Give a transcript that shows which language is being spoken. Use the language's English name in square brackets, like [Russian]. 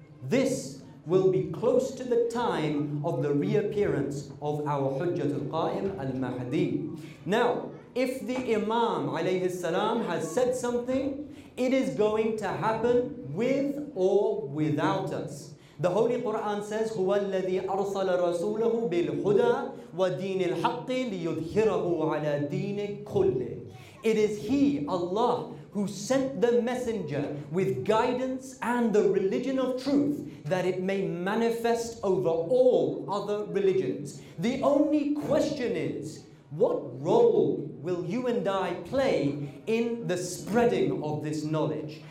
[English] This will be close to the time of the reappearance of our Hujjat al-Qa'im al-Mahdi. Now, if the Imam alayhi salam has said something, it is going to happen with or without us. The Holy Quran says, [Arabic] هو الذي أرسل رسوله بالهدى ودين الحق ليظهره على دين كله. [English] It is He, Allah, who sent the messenger with guidance and the religion of truth, that it may manifest over all other religions. The only question is, what role will you and I play in the spreading of this knowledge?